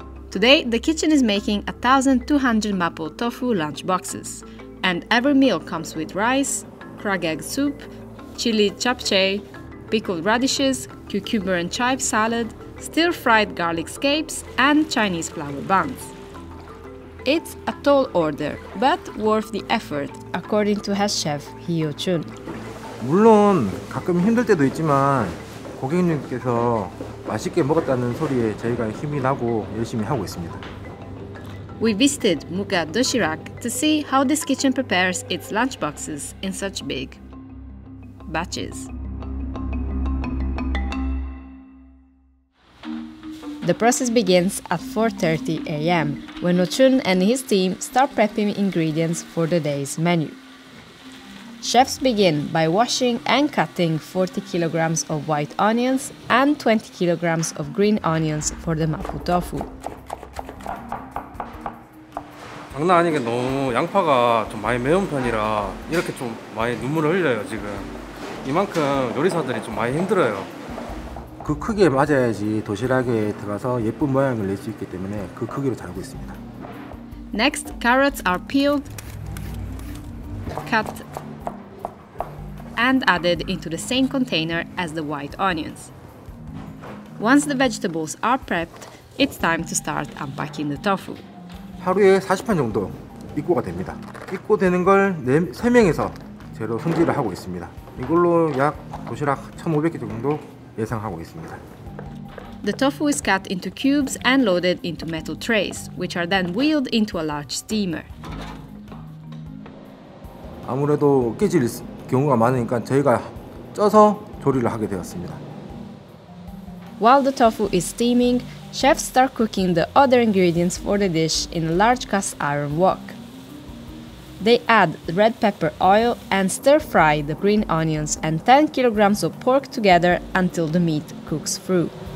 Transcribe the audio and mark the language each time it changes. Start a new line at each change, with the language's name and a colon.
English: Today, the kitchen is making 1,200 mapo tofu lunch boxes, and every meal comes with rice, crab egg soup, chili japchae, pickled radishes, cucumber and chive salad, stir-fried garlic scapes and Chinese flour buns. It's a tall order, but worth the effort, according to head chef Hyo Chun.
Korean: 물론 가끔 힘들 때도 있지만 고객님께서 맛있게 먹었다는 소리에 저희가 힘이 나고 열심히 하고 있습니다.
English: We visited Muga Doshirak to see how this kitchen prepares its lunch boxes in such big batches. The process begins at 4:30 a.m. when Ochun and his team start prepping ingredients for the day's menu. Chefs begin by washing and cutting 40 kilograms of white onions and 20 kilograms of green onions for the mapo tofu.
Korean: 장난 아니게 너무 양파가 좀 많이 매운 편이라 이렇게 좀 많이 눈물을 흘려요 지금. 이만큼 요리사들이 좀 많이 힘들어요. 그 크기에 맞아야지 도시락에 들어가서 예쁜 모양을 낼 수 있기 때문에 그 크기로 자르고 있습니다.
English: Next, carrots are peeled, cut, and added into the same container as the white onions. Once the vegetables are prepped, it's time to start unpacking the tofu.
Korean: 하루에 40판 정도 입고가 됩니다. 입고되는 걸 3명에서 제로 손질을 하고 있습니다. 이걸로 약 도시락 1,500개 정도 예상하고 있습니다.
English: The tofu is cut into cubes and loaded into metal trays, which are then wheeled into a large steamer.
Korean: 아무래도 깨질 경우가 많으니까 저희가 쪄서 조리를 하게 되었습니다.
English: While the tofu is steaming, chefs start cooking the other ingredients for the dish in a large cast iron wok. They add red pepper oil and stir-fry the green onions and 10 kilograms of pork together until the meat cooks through.